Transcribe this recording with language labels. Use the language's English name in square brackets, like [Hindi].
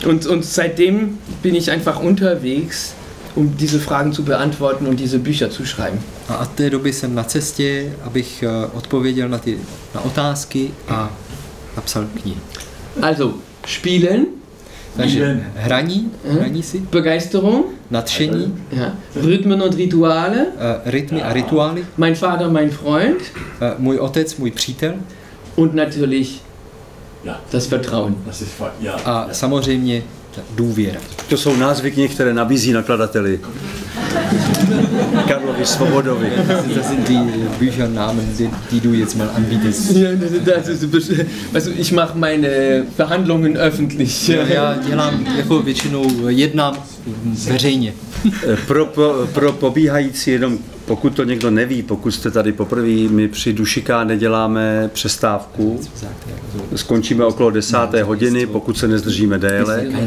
[German] Und seitdem bin ich einfach unterwegs, um diese Fragen zu beantworten und diese Bücher zu schreiben. [Czech] A od té doby jsem na cestě, abych odpověděl na ty na otázky a napsal knihy. [German] Also, spielen. [Czech] Takže hraní si. [German] Begeisterung. [Czech] Nadšení. [German] Ja. Rhythmen und Rituale. [Czech] Rytmy a rituály. [German] Mein Vater, mein Freund. [Czech] Můj otec, můj přítel. [German] Und natürlich das Vertrauen. [Czech] A samozřejmě důvěra. To jsou názvy, které nabízí nakladateli. Karlovi Svobodovi. [German] Das sind die Büchernamen, die du jetzt mal anbietest. Ja, das ist also ich mache meine Verhandlungen öffentlich. [Czech] Ja, dělám jako většinou jednám veřejně. Pro pobíhající jenom, pokud to někdo neví, pokud jste tady poprvé, my při Dušika neděláme přestávku. Skončíme okolo 10. hodiny, pokud se nezdržíme déle.